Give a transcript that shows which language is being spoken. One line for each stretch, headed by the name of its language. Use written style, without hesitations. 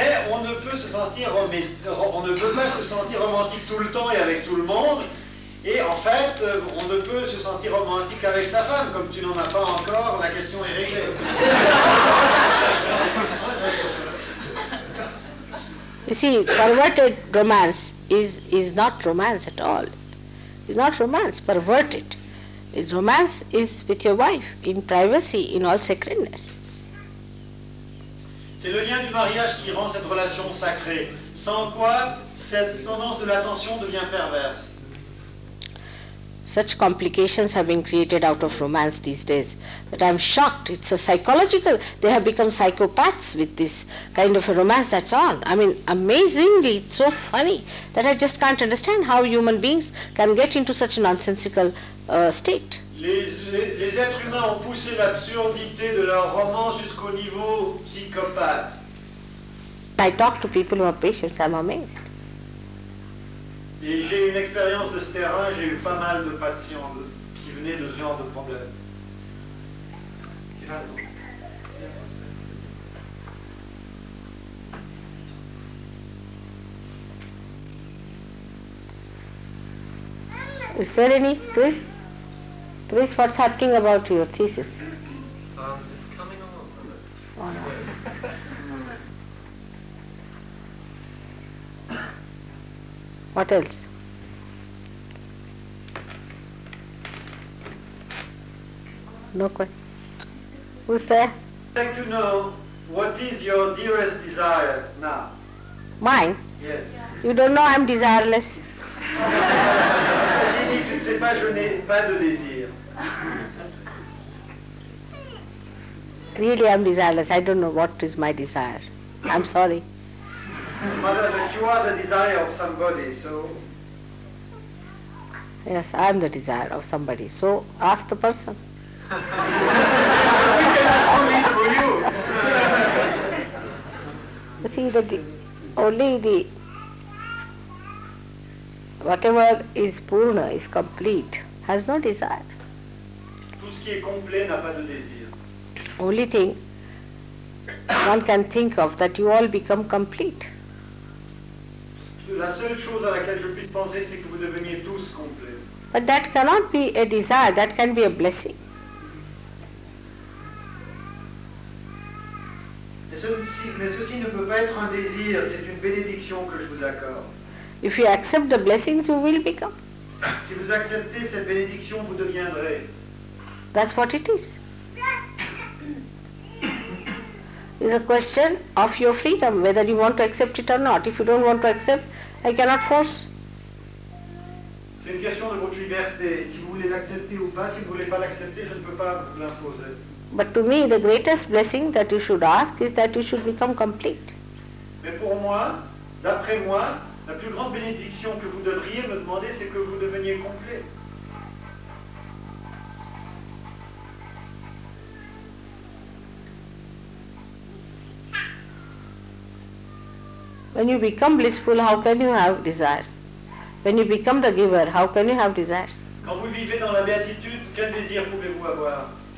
French: On ne peut pas se sentir romantique tout le temps et avec tout le monde, et en fait, on ne peut se sentir romantique avec sa femme, comme tu n'en as pas encore, la question est réglée.
English: You see, perverted romance is not romance at all. It's not romance, perverted. It's romance is with your wife, in privacy, in all sacredness.
French: C'est le lien du mariage qui rend cette relation sacrée, sans quoi cette tendance de l'attention devient perverse.
English: Such complications have been created out of romance these days that I'm shocked. It's a psychological, they have become psychopaths with this kind of a romance that's on. I mean, amazingly, it's so funny that I just can't understand how human beings can get into such a nonsensical state.
French: Les êtres humains ont poussé l'absurdité de leur romance jusqu'au niveau psychopathe.
English: I talk to people who are patients, I'm amazed.
French: Et j'ai une expérience de ce terrain, j'ai eu pas mal de patients qui venaient de ce genre de problème.
English: Is there any, Chris? Chris, what's happening about your thesis? It's coming on a little bit. Oh, no. What else? No question. Who's there? I'd like to know, what is your dearest desire now? Mine? Yes. Yeah. You don't know I'm desireless.
French: Jenny, tu ne sais pas, je n'ai pas de désir.
English: Really, I'm desireless. I don't know what is my desire. I'm sorry. Mother, but you are the desire of somebody, so... Yes, I'm the desire of somebody. So, ask the person. We cannot only for you. See, that only the... Whatever is purna, is complete, has no desire.
French: Tout ce qui est complet n'a pas de désir.
English: Only thing one can think of, that you all become complete.
French: La seule chose à laquelle je puisse penser, c'est que vous deveniez tous complets.
English: But that cannot be a desire, that can be a blessing.
French: Mais ceci ne peut pas être un désir, c'est une bénédiction que je vous accorde.
English: If you accept the blessings, you will become.
French: Si vous acceptez cette bénédiction, vous deviendrez.
English: That's what it is. It's a question of your freedom, whether you want to accept it or not. If you don't want to accept, I cannot force.
French: C'est une question de votre liberté. Si vous voulez l'accepter ou pas, si vous ne voulez pas l'accepter, je ne peux pas vous l'imposer.
English: But to me, the greatest blessing that you should ask is that you should become complete.
French: Mais pour moi, d'après moi, la plus grande bénédiction que vous devriez me demander, c'est que vous deveniez complet.
English: When you become blissful, how can you have desires? When you become the giver, how can you have desires?
French: Quand vous vivez dans la béatitude, quel désir pouvez-vous avoir?